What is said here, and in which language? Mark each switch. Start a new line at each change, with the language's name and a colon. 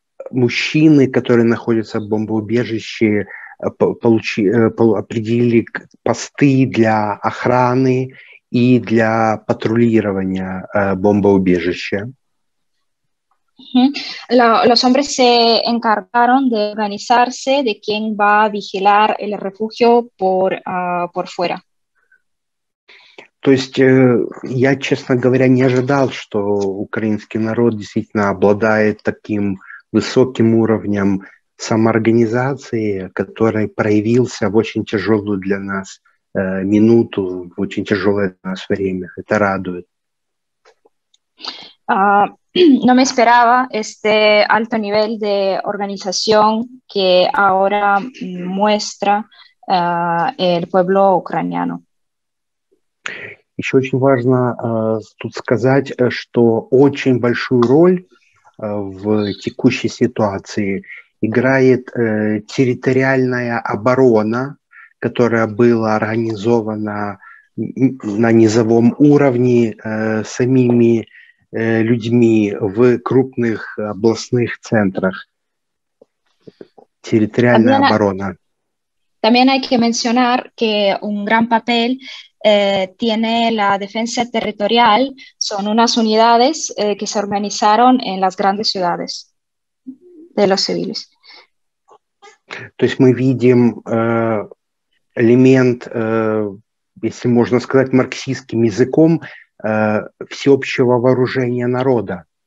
Russian: Мужчины, которые находятся в бомбоубежище, определили посты для охраны и для патрулирования бомбоубежища.
Spanish: Los hombres se encargaron de organizarse de quién va a vigilar el refugio por fuera.
Russian: То есть я, честно говоря, не ожидал, что украинский народ действительно обладает таким высоким уровнем самоорганизации, который проявился в очень тяжелую для нас минуту, в очень тяжелое для нас время. Это радует.
Spanish: No me esperaba este alto nivel de organización que ahora muestra el pueblo ucraniano.
Russian: Еще очень важно тут сказать, что очень большую роль в текущей ситуации играет территориальная оборона, которая была организована на низовом уровне самими людьми в крупных областных центрах. Территориальная оборона.
Spanish: También hay que mencionar que un gran papel tiene la defensa territorial. Son unas unidades que se organizaron en las grandes ciudades de los civiles.
Russian: То есть мы видим элемент, если можно сказать марксистским языком, всеобщего вооружения народа.